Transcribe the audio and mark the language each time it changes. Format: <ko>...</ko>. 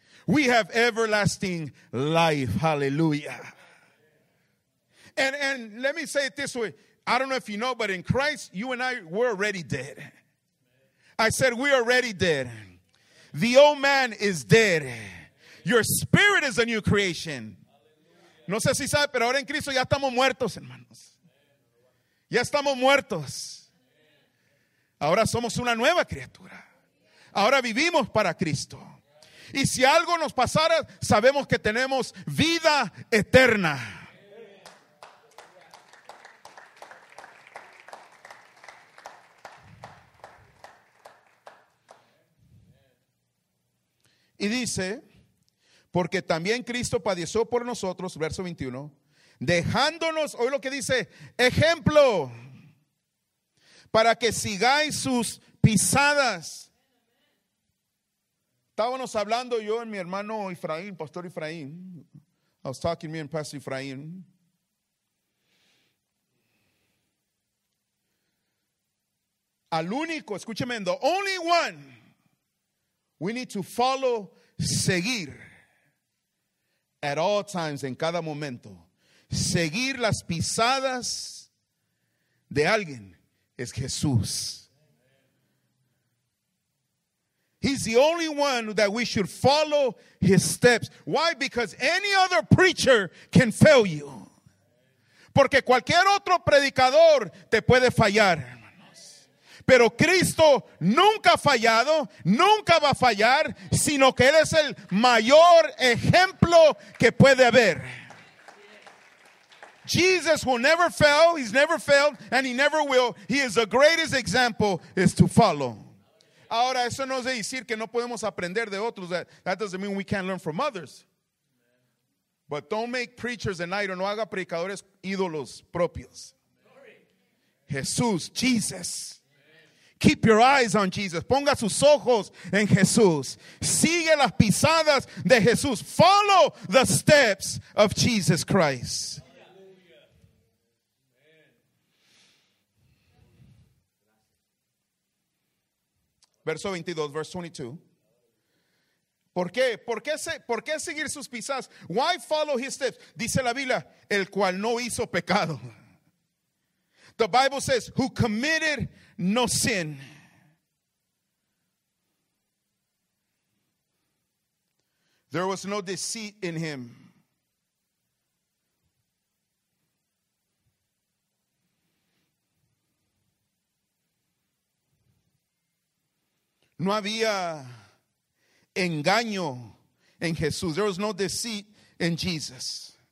<en>We have everlasting life. Hallelujah. And let me say it this way. I don't know if you know, but in Christ, you and I, we're already dead. I said, we're already dead. The old man is dead. Your spirit is a new creation.</en> <es>No sé si sabe, pero ahora en Cristo ya estamos muertos, hermanos. Ya estamos muertos. Ahora somos una nueva criatura. Ahora vivimos para Cristo. Y si algo nos pasara, sabemos que tenemos vida eterna. Y dice, porque también Cristo padeció por nosotros, verso 21, dejándonos, oye lo que dice, ejemplo, para que sigáis sus pisadas. Estábamos hablando yo y mi hermano Efraín, Pastor Efraín.</es> <en>I was talking to me and Pastor Efraín.</en> <es>Al único, escúcheme,</es> <en>the only one we need to follow.</en> <es>Seguir</es> <en>at all times,</en> <es>en cada momento, seguir las pisadas de alguien es Jesús.</es> <en>He's the only one that we should follow his steps. Why? Because any other preacher can fail you.</en> <es>Porque cualquier otro predicador te puede fallar. Pero Cristo nunca ha fallado, nunca va a fallar, sino que Él es el mayor ejemplo que puede haber.</es> <en>Jesus will never fail, he's never failed, and he never will. He is the greatest example is to follow.</en> <es>Ahora, eso no es decir que no podemos aprender de otros.</es> <en>That doesn't mean we can't learn from others. But don't make preachers an idol,</en> <es>no haga predicadores ídolos propios.</es> <en>Jesús, Jesus. Keep your eyes on Jesus.</en> <es>Ponga sus ojos en Jesús. Sigue las pisadas de Jesús.</es> <en>Follow the steps of Jesus Christ.</en> <es>Verso 22,</es> <en>verse 22.</en> <es>¿Por qué? ¿Por qué seguir sus pisadas?</es> <en>Why follow his steps?</en> <es>Dice la Biblia, el cual no hizo pecado.</es> <en>The Bible says, who committed no sin. There was no deceit in him.</en> <es>No había engaño en Jesús.</es> <en>There was no deceit in Jesus.</en>